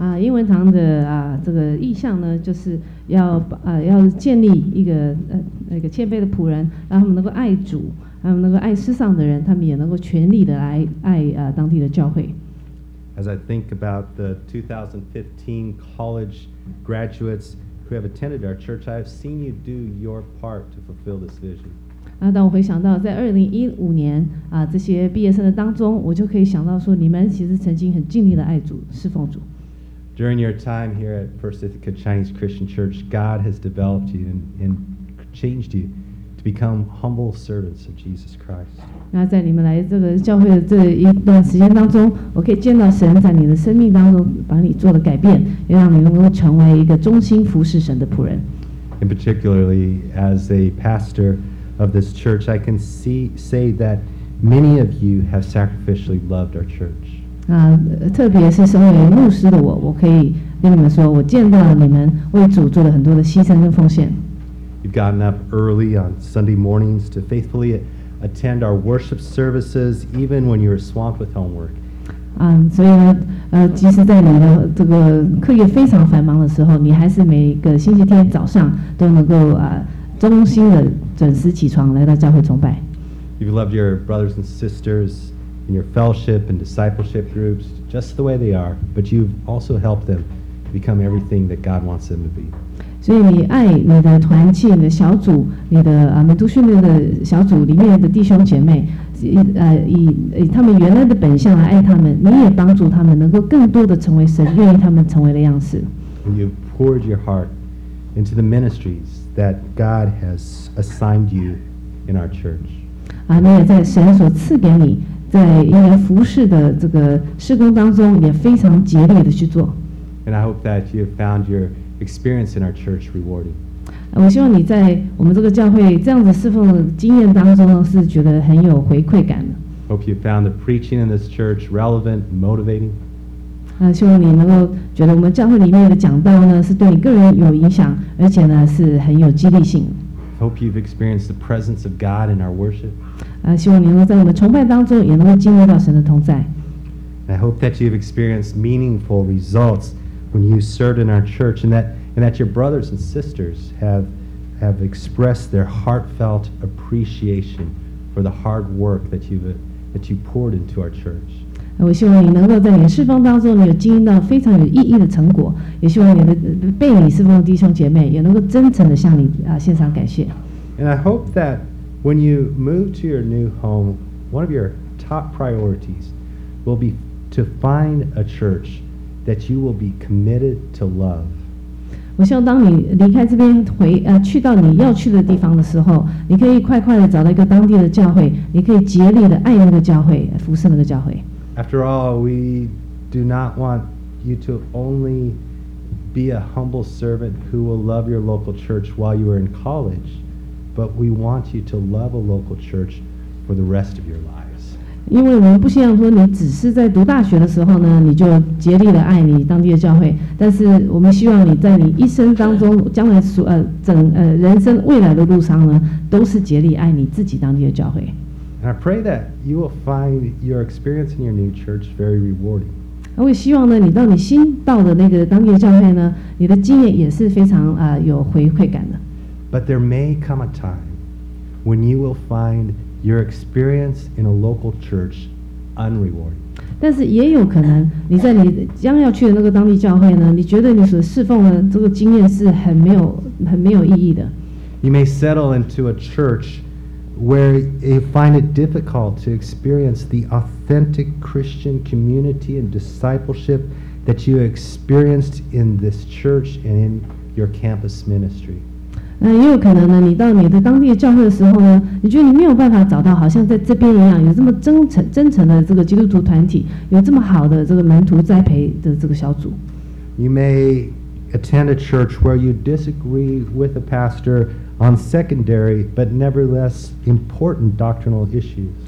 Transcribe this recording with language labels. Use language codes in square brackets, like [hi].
[zh] 英文堂的这个意向呢，就是要建立一个谦卑的仆人，让他们能够爱主，让他们能够爱世上的人，他们也能够全力的来爱当地的教会。 [en] As I think about the 2015 college graduates who have attended our church, I have seen you do your part to fulfill this vision. [zh] 当我回想到在2015年这些毕业生的当中，我就可以想到说，你们其实曾经很尽力的爱主，侍奉主。 [en] During your time here at First Ithaca Chinese Christian Church, God has developed you and changed you to become humble servants of Jesus Christ. [zh] 那在你们来这个教会的这一段时间当中，我可以见到神在你的生命当中把你做了改变，也让你能够成为一个忠心服侍神的仆人。 [en] And particularly as a pastor of this church, I can say that many of you have sacrificially loved our church. [zh] 特别是身为牧师的我可以跟你们说，我见到了你们为主做了很多的牺牲跟奉献。 [en] You've gotten up early on Sunday mornings to faithfully attend our worship services, even when you were swamped with homework. [zh] 所以呢，即使在你的这个课业非常繁忙的时候，你还是每个星期天早上都能够忠心的准时起床来到教会崇拜。 [en] You've loved your brothers and sisters. In your fellowship and discipleship groups, just the way they are, but you've also helped them become everything that God wants them to be. [zh] 所以你爱你的团契、你的小组、你的门徒训练的小组里面的弟兄姐妹，以他们原来的本相来爱他们，你也帮助他们能够更多的成为神愿意他们成为的样式。 [en] You've poured your heart into the ministries that God has assigned you in our church. [zh] 你也在神所赐给你。在一年服事的这个事工当中，也非常竭力的去做。 [en] And I hope that you have found your experience in our church rewarding. [zh] 我希望你在我们这个教会这样子侍奉的经验当中呢，是觉得很有回馈感的。 [en] Hope you found the preaching in this church relevant, motivating. [zh] 希望你能够觉得我们教会里面的讲道呢，是对你个人有影响，而且呢是很有激励性。 [en] Hope you've experienced the presence of God in our worship. [zh] 希望你能够在我们崇拜当中也能够经历到神的同在。 [en] I hope that you've experienced meaningful results when you served in our church, and that your brothers and sisters have expressed their heartfelt appreciation for the hard work that you poured into our church. [zh] 我希望你能够在你侍奉当中，你有经营到非常有意义的成果。也希望你的被你侍奉的弟兄姐妹也能够真诚的向你献上感谢。 [en] And I hope that when you move to your new home, one of your top priorities will be to find a church that you will be committed to love. [zh] 我希望当你离开这边去到你要去的地方的时候，你可以快快的找到一个当地的教会，你可以竭力的爱那个教会，服侍那个教会。 [en] After all, we do not want you to only be a humble servant who will love your local church while you are in college, but we want you to love a local church for the rest of your lives. [zh] 因为我们不希望说你只是在读大学的时候呢，你就竭力的爱你当地的教会，但是我们希望你在你一生当中，将来人生未来的路上呢，都是竭力爱你自己当地的教会。 [en] And I pray that you will find your experience in your new church very rewarding. [zh] 我也希望呢，你到你新到的那个当地的教会呢，你的经验也是非常有回馈感的。 [en] But there may come a time when you will find your experience in a local church unrewarding. [zh] 但是也有可能，你在你将要去的那个当地教会呢，你觉得你所侍奉的这个经验是很没有意义的。 [en] You may settle into a church where you find it difficult to experience the authentic Christian community and discipleship that you experienced in this church and in your campus ministry. [zh] 那也有可能呢，你到你的当地的教会的时候呢，你觉得你没有办法找到好像在这边一样有这么真诚的这个基督徒团体，有这么好的这个门徒栽培的这个小组。 [en] You may attend a church where you disagree with a pastor. On secondary but nevertheless important doctrinal issues.